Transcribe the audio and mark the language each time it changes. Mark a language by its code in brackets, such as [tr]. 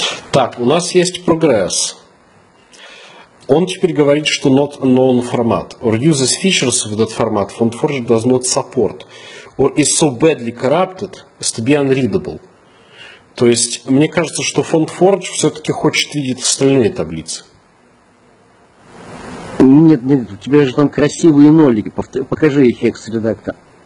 [ru] Так, у нас есть прогресс. Он теперь говорит, что [en] not known format. Or uses features of that format. FontForge does not support. Or is so badly corrupted as to be unreadable. [ru] То есть, мне кажется, что FontForge все-таки хочет видеть остальные таблицы. Нет, нет, у тебя же там красивые нолики. Покажи их, X-редактор.